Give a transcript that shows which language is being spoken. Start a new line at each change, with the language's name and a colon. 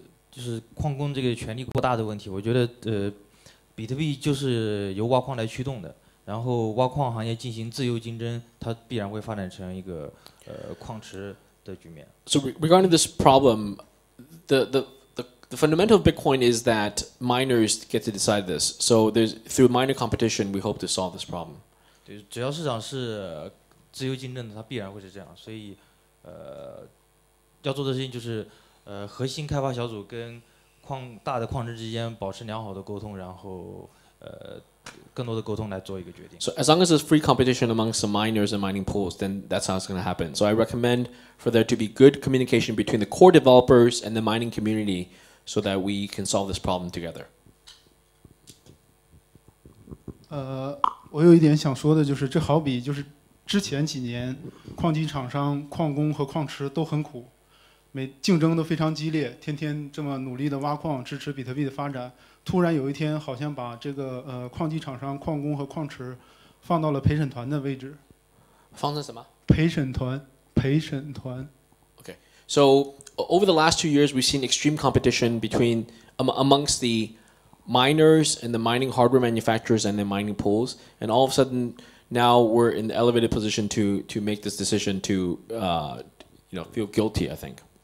Chinese: 就是矿工这个权力过大的问题，我觉得比特币就是由挖矿来驱动的，然后挖矿行业进行自由竞争，它必然会发展成一个矿池的局面。So
English: regarding this problem, the fundamental of Bitcoin is that miners get to decide this. So there's through miner competition, we hope to solve this problem.
Chinese: 对，只要市场是自由竞争的，它必然会是这样。所以，要做的事情就是，核心开发小组跟大的矿池之间保持良好的沟通，然后更多的沟通来做一个决定。
English: So as long as there's free competition amongst the miners and mining pools, then that's how it's going to happen. So I recommend for there to be good communication between the core developers and the mining community so that we can solve this problem together.
Chinese: 我有一点想说的就是，这好比就是之前几年矿机厂商、矿工和矿池都很苦，竞争都非常激烈，天天这么努力的挖矿，支持比特币的发展。突然有一天，好像把这个矿机厂商、矿工和矿池放到了陪审团的位置。放在什么？陪审团，陪审团。
English: Okay, so over the last 2 years, we've seen extreme competition between amongst the miners and the mining hardware manufacturers and the mining pools, and all of a sudden now we're in the elevated position to make this decision to you know, feel guilty, I think.